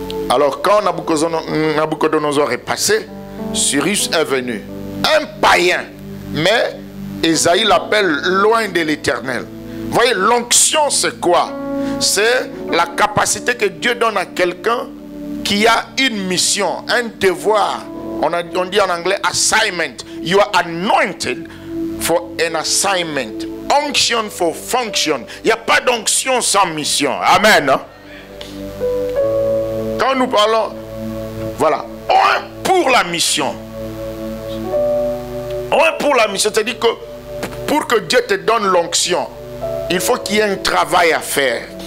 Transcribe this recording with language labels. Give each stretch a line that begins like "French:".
French: Alors quand Nabucodonosor est passé, Cyrus est venu, un païen, mais Esaïe l'appelle loin de l'Éternel. Voyez, l'onction c'est quoi? C'est la capacité que Dieu donne à quelqu'un qui a une mission, un devoir. On dit en anglais assignment.
English: You are anointed for an assignment. Unction for function.
French: Il n'y a pas d'onction sans mission. Amen. Quand nous parlons, voilà, un pour la mission. Un pour la mission, c'est-à-dire que pour que Dieu te donne l'onction, il faut qu'il y ait un travail à faire.